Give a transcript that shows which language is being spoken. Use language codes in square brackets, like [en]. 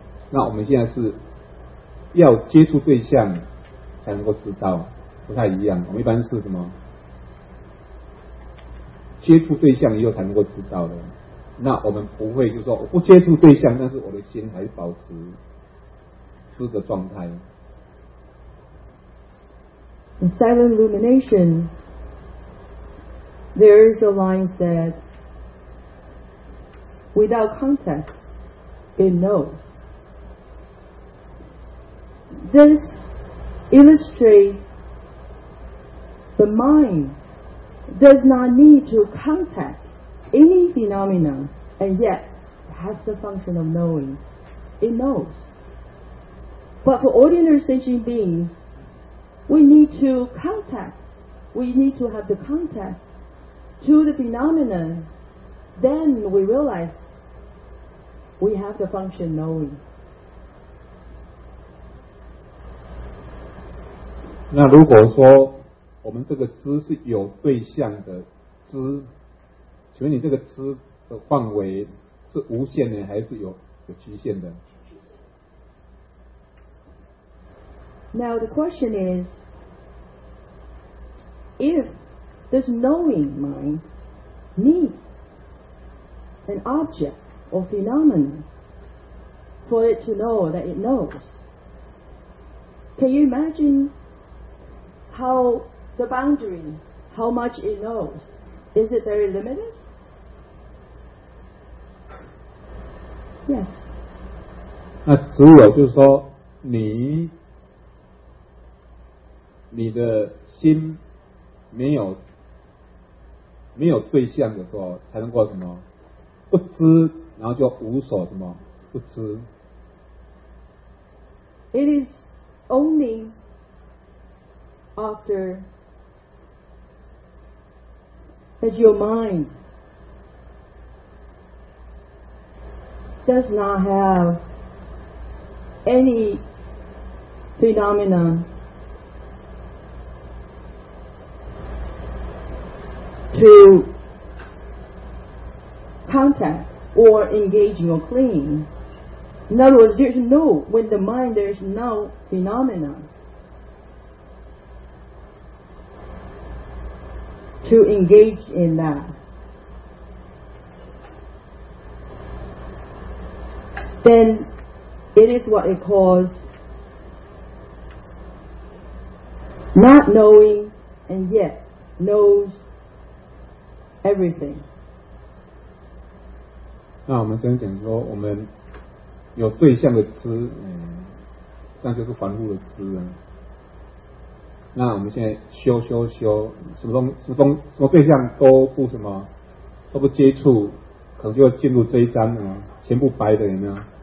[zh] 那我们现在是要接触对象才能够知道，不太一样。我们一般是什么？接触对象以后才能够知道的。那我们不会，就是说我不接触对象，但是我的心还是保持知的状态。 [en] In silent illumination, there is a line that without contact, it knows. This illustrates the mind does not need to contact any phenomenon. And yet, it has the function of knowing. It knows. But for ordinary sentient beings, we need to have the contact to the phenomenon. Then we realize we have the function knowing. [zh] 那如果说我们这个知是有对象的知，请问你这个知的范围是无限的还是有极限的？ [en] Now the question is, if this knowing mind needs an object or phenomenon for it to know that it knows, can you imagine how the boundary, how much it knows? Is it very limited? Yes. [zh] 那只有就是说你的心没有对象的时候才能够什么不知，然后就无所什么不知。 [en] It is only after that your mindDoes not have any phenomenon. To contact or engaging or clinging. In other words, there is no, with the mind there is no phenomenon. To engage in that. Then it is what it calls not knowing and yet knows everything. [zh] 那我们先讲说我们有对象的知，这样就是凡夫的知啊。那我们现在修什么对象都不什么都不接触，可能就进入这一章啊，全部白的，有没有？